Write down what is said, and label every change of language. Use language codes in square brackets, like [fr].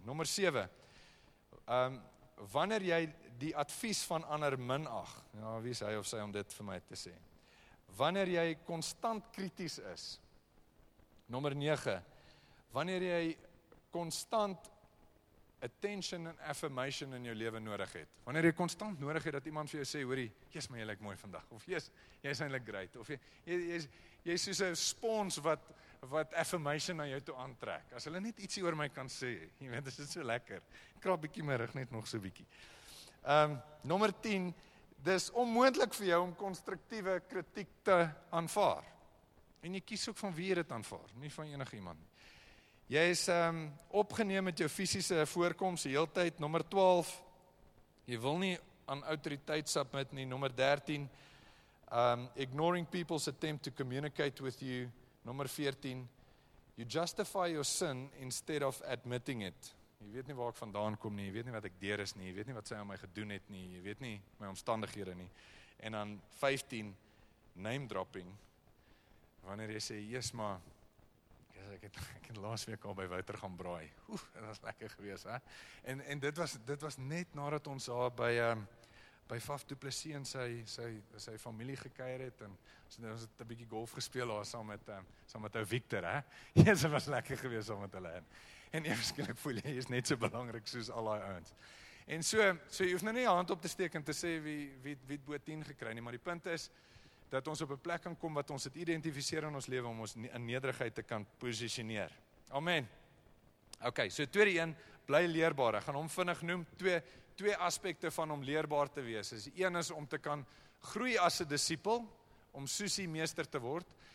[af] Nommer 7. Wanneer jy die advies van ander minag, ja, wie is hy of sy om dit vir my te sê? Wanneer jy konstant krities is. Nommer 9. Wanneer jy konstant [en] attention and affirmation [af] in jou lewe nodig het. Wanneer jy konstant nodig het dat iemand vir jou sê, hoorie, jy's my heeltemal mooi vandag of jy's eintlik great of jy's soos 'n spons wat affirmation na jou toe aantrek. As hulle net ietsie oor my kan sê, jy weet, dit is so lekker. Krap bietjie my rug net nog so bietjie. Nommer 10, dis onmoontlik vir jou om konstruktiewe kritiek te aanvaar. En jy kies ook van wie jy dit aanvaar, nie van enige iemand nie. Jy is opgeneem met jou fisiese voorkoms die hele tyd. Nommer 12, jy wil nie aan autoriteit submit nie. [en] Nommer 13, ignoring people's attempt to communicate with you. Nommer 14, you justify your sin instead of admitting it. [af] Jy weet nie waar ek vandaan kom nie, jy weet nie wat ek deur is nie, jy weet nie wat sy aan my gedoen het nie, jy weet nie my omstandighede nie. En dan 15, name dropping. Wanneer jy sê, jees maar, ek het laas week al by Wouter gaan braai. Oeh, dit was lekker gewees, hè? En dit was net nadat ons daar by Faf du Plessis en sy familie gekuier het en ons het 'n bietjie golf gespeel daar saam met ou Victor, hè? Jesus, dit was lekker gewees saam met hulle. En ewe skielik voel jy is net so belangrik soos al daai ouens. En so jy hoef nou nie jou hand op te steek en te sê wie bo 10 gekry nie, maar die punt is dat ons op 'n plek kan kom wat ons dit identifiseer in ons lewe om ons in nederigheid te kan positioneer. Amen. Ok, so tweede een, bly leerbaar. Ek gaan hom vinnig noem, twee aspekte van om leerbaar te wees. Is een is om te kan groei as 'n disipel, om soos die meester te word.